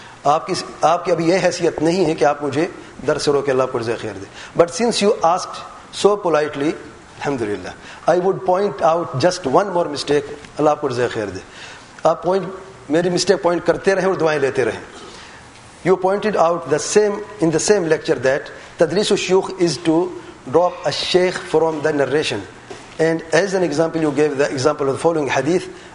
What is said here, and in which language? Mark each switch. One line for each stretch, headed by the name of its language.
Urdu: آپ کی ابھی یہ حیثیت نہیں ہے کہ آپ مجھے در سے روکے, اللہ کو جزائے خیر دے.
English: but since you ask so politely الحمد للہ, I would point out just one more mistake,
Urdu: اللہ آپ کو جزائے خیر دے. آپ پوائنٹ میری مسٹیک پوائنٹ کرتے رہیں اور دعائیں لیتے رہیں.
English: You pointed out the same in the same lecture that تدریس الشیوخ is to drop a شیخ from the narration. And as an example, you gave the example of the following hadith.